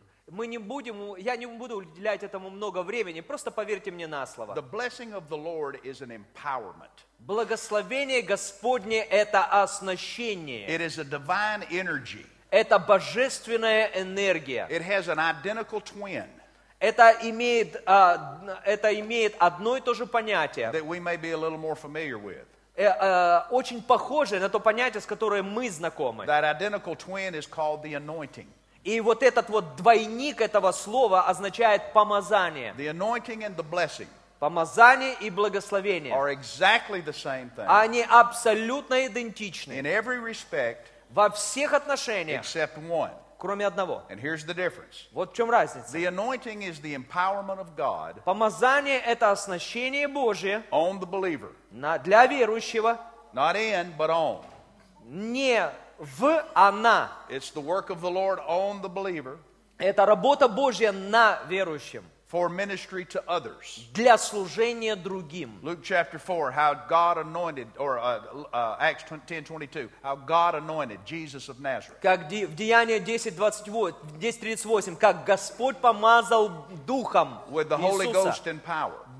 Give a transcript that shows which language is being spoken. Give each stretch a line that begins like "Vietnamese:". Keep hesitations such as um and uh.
Russian: мы не будем, я не буду уделять этому много времени, просто поверьте мне на слово.
English: The blessing of the Lord is an empowerment.
Russian: Благословение Господне – это оснащение.
English: It is a divine energy.
Russian: Это божественная энергия.
English: It has an identical twin.
Russian: Это имеет, uh, это имеет одно и то же понятие.
English: That we may be a little more familiar with.
Russian: Uh, очень похожее на то понятие, с которым мы знакомы.
English: That identical twin is called the anointing.
Russian: И вот этот вот двойник этого слова означает помазание.
English: The anointing and the blessing.
Russian: Помазание и благословение.
English: Are exactly the same thing.
Russian: Они абсолютно идентичны.
English: In every respect,
Russian: во всех отношениях.
English: Except one.
Russian: Кроме одного.
English: And here's the difference.
Russian: Вот в чем разница.
English: The anointing is the empowerment of God
Russian: Помазание – это оснащение Божье
English: on the believer.
Russian: На, для верующего.
English: Not in, but on.
Russian: Не в она.
English: It's the work of the Lord on the believer.
Russian: Это работа Божья на верующем.
English: For ministry to others.
Russian: Для служения другим.
English: Luke chapter 4, how God anointed, or uh, uh, Acts 10, 22, how God anointed Jesus of Nazareth.
Russian: Как в Деяния 10:38, как Господь помазал духом
English: With the Holy Ghost and power.